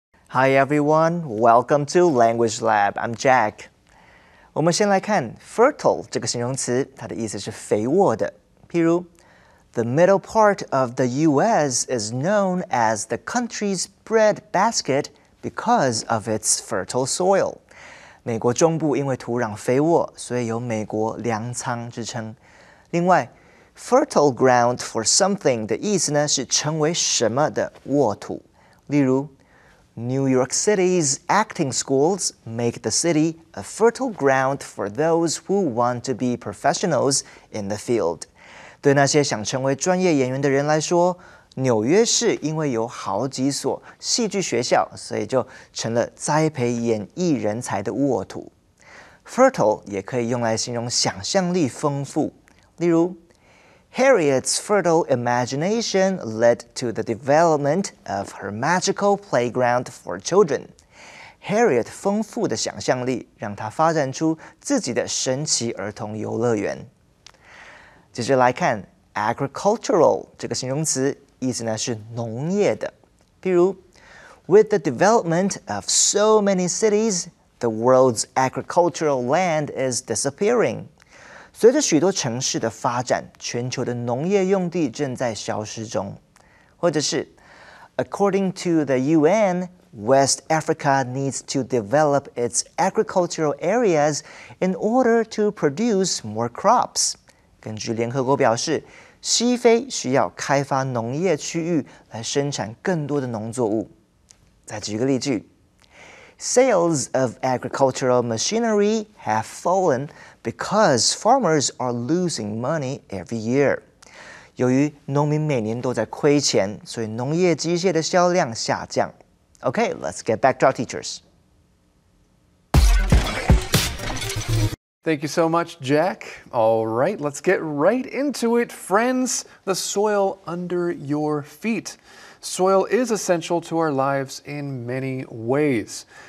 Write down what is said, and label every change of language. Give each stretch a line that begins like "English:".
English: Hi everyone, welcome to Language Lab, I'm Jack.
Chinese: 我们先来看 fertile 这个形容词，它的意思是肥沃的，譬如
English: The middle part of the U.S. is known as the country's bread basket because of its fertile soil.
Chinese: 美国中部因为土壤肥沃，所以有美国粮仓之称。另外 ，
English: fertile ground for something
Chinese: 的意思呢是成为什么的沃土。例如
English: ，New York City's acting schools make the city a fertile ground for those who want to be professionals in the field.
Chinese: 对那些想成为专业演员的人来说，纽约市因为有好几所戏剧学校，所以就成了栽培演艺人才的沃土。
English: Fertile
Chinese: 也可以用来形容想象力丰富，例如
English: ，Harriet's fertile imagination led to the development of her magical playground for children.
Chinese: Harriet 丰富的想象力让她发展出自己的神奇儿童游乐园。接着来看 agricultural 这个形容词，意思呢是农业的。譬如
English: ，With the development of so many cities, the world's agricultural land is disappearing.
Chinese: 随着许多城市的发展，全球的农业用地正在消失中。或者是 ，
English: According to the UN, West Africa needs to develop its agricultural areas in order to produce more crops.
Chinese: 根据联合国表示，西非需要开发农业区域来生产更多的农作物。再举个例句，
English: Sales of agricultural machinery have fallen because farmers are losing money every year.
Chinese: 由于农民每年都在亏钱，所以农业机械的销量下降。
English: Okay, let's get back to our teachers. Thank you so much, Jack. All right, let's get right into it. Friends, the soil under your feet. Soil is essential to our lives in many ways.